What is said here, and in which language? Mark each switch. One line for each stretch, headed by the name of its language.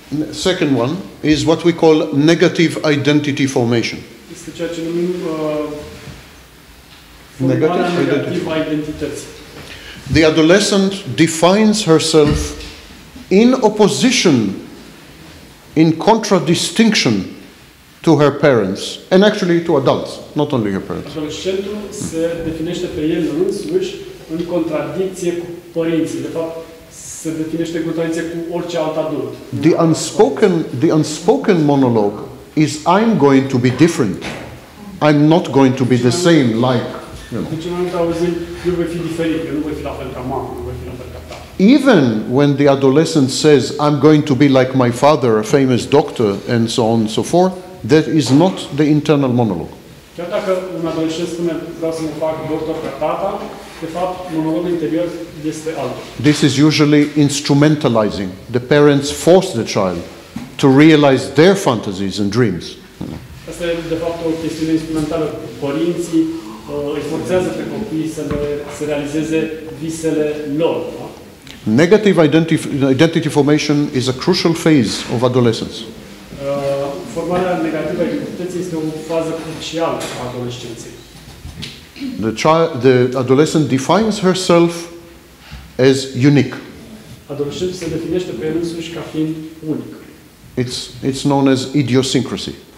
English: Second one is what we call negative identity formation.
Romanian: Este ceea ce numim negativa identității.
English: The adolescent defines herself in opposition, in contradistinction to her parents, and actually to adults, not only her parents.
Romanian: Adolescentul se definește pe el însuși în contradicție cu părinții. De fapt, se definește în contradicție cu orice alt adult.
English: The unspoken monologue is, I'm going to be different. I'm not going to be the same, like, you know.
Romanian: Deci, în momentul auzit, eu voi fi diferit, eu nu voi fi la fel ca mamă.
English: Even when the adolescent says, I'm going to be like my father, a famous doctor, and so on and so forth, that is not the internal monologue.
Romanian: Chiar dacă un adolescent spune, vreau să mă fac doctor ca tata, de fapt, monologul interior este altul.
English: This is usually instrumentalizing. The parents force the child to realize their fantasies and dreams.
Romanian: Asta e, de fapt, o chestiune instrumentală. Părinții îi forțează pe copii să realizeze visele lor.
English: Negative identity formation is a crucial phase of adolescence.
Romanian: Formarea negativă a identității este o fază crucială a adolescenței.
English: The adolescent defines herself as unique.
Romanian: Adolescentul se definește pe el însuși ca fiind unic.
English: It's known as idiosyncrasy.